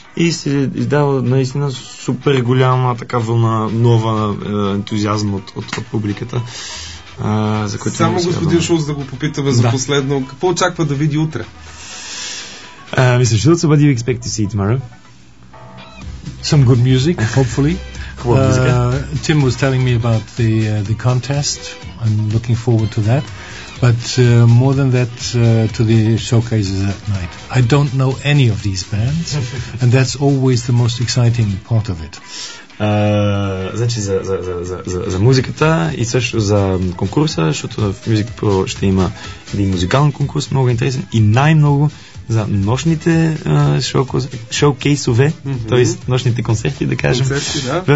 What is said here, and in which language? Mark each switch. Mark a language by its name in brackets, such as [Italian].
[Bulgarian] И се издава наистина супер голяма така вълна, нова ентузиазъм от публиката. За което само господин Шулц да го попитаме за последно. Какво очаква да види утре? Мисля, ще да се бъде в [English] Expect to See Tomorrow. some good music, hopefully. Tim was telling me about the contest. I'm looking forward to that. But more than that, to the showcases at night. I don't know any of these bands, and that's always the most exciting part of it. [Bulgarian] Значи за музиката и също за конкурса, защото в Music Pro ще има един музикален конкурс, много интересен, и най-много за нощните шоукейсове, т.е. нощните концерти, да кажем, концерти, да.